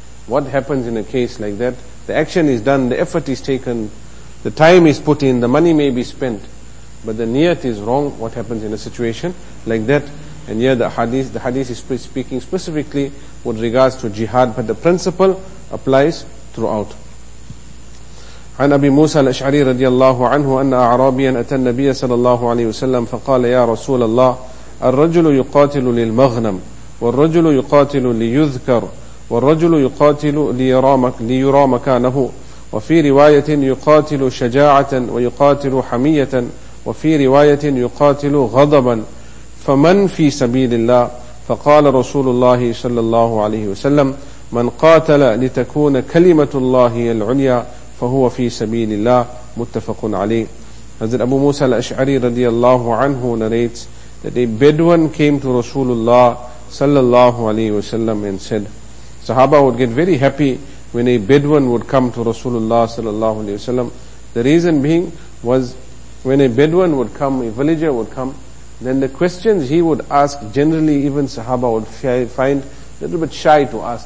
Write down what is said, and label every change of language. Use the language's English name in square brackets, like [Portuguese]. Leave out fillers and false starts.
[English] What happens in a case like that? The action is done, the effort is taken, the time is put in, the money may be spent, but the niyat is wrong. What happens in a situation like that? And here the hadith is speaking specifically with regards to jihad, but the principle applies throughout. [Arabic] عن أبي موسى الأشعري رضي الله عنه أن أعرابيا أتى النبي صلى الله عليه وسلم فقال يا رسول الله الرجل يقاتل للمغنم والرجل يقاتل ليذكر والرجل يقاتل ليرى مكانه وفي رواية يقاتل شجاعة ويقاتل حمية وفي رواية يقاتل غضبا فمن في سبيل الله فقال رسول الله صلى الله عليه وسلم من قاتل لتكون كلمة الله العليا فَهُوَ فِي سَبِيلِ اللَّهِ مُتَّفَقٌ عَلَيْهِ. [English] Hazrat Abu Musa al-Ash'ari radiallahu anhu narrates that a Bedouin came to Rasulullah sallallahu alayhi wa sallam and said, Sahaba would get very happy when a Bedouin would come to Rasulullah sallallahu alayhi wa sallam. The reason being was when a Bedouin would come, a villager would come, then the questions he would ask, generally even Sahaba would find a little bit shy to ask.